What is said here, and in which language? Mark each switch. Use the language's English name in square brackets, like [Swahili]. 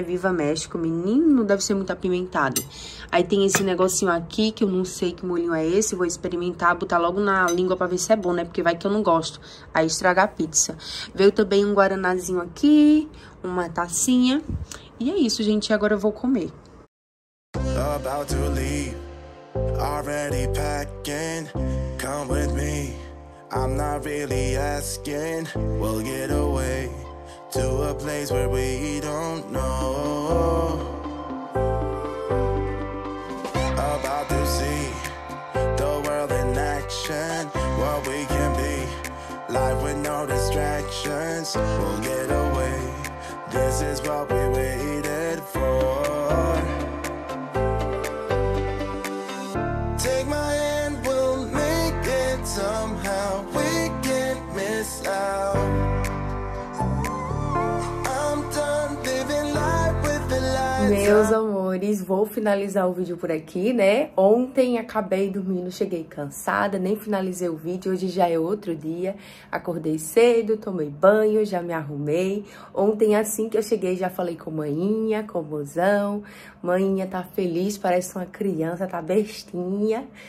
[Portuguese] Viva México, menino, deve ser muito apimentado. Aí tem esse negocinho aqui, que eu não sei que molhinho é esse. Vou experimentar, botar logo na língua pra ver se é bom, né? Porque vai que eu não gosto, aí estragar a pizza. Veio também um guaranazinho aqui, uma tacinha. E é isso, gente. Agora eu vou comer. [English] About to leave, already packing. Come with me. I'm not really asking. We'll get away to a place where we don't know. About to see the world in action. What we can be. Life with no distractions. We'll get away. This is what we waited for. Take my hand, we'll make it somehow. We can't miss out. I'm done living life with the lights. [Portuguese] Vou finalizar o vídeo por aqui, né? Ontem acabei dormindo, cheguei cansada, nem finalizei o vídeo. Hoje já é outro dia. Acordei cedo, tomei banho, já me arrumei. Ontem, assim que eu cheguei, já falei com maninha, com mozão. Maninha tá feliz, parece uma criança, tá bestinha.